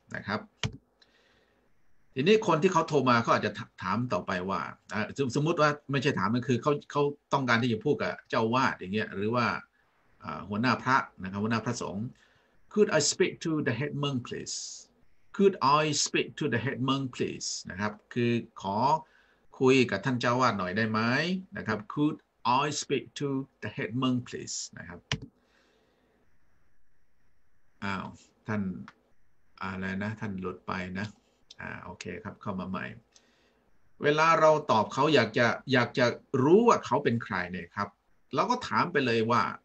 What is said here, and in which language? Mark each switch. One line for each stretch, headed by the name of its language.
Thai: นะครับทีนี้คนที่เขาโทรมาเขาอาจจะถามต่อไปว่าสมมุติว่าไม่ใช่ถามมันคือเขาต้องการที่จะพูดกับเจ้าวาดอย่างเงี้ยหรือว่าหัวหน้าพระนะครับหัวหน้าพระสงฆ์
English: Could I speak to the head monk please? Could I speak to the head monk please?
Thai: นะครับคือขอคุยกับท่านเจ้าวาดหน่อยได้ไหมนะครับ
English: Could I speak to the head monk please?
Thai: นะครับท่านอะไรนะท่านหลุดไปนะโอเคครับเข้ามาใหม่เวลาเราตอบเขาอยากจะรู้ว่าเขาเป็นใครเนี่ยครับเราก็ถามไปเลยว่า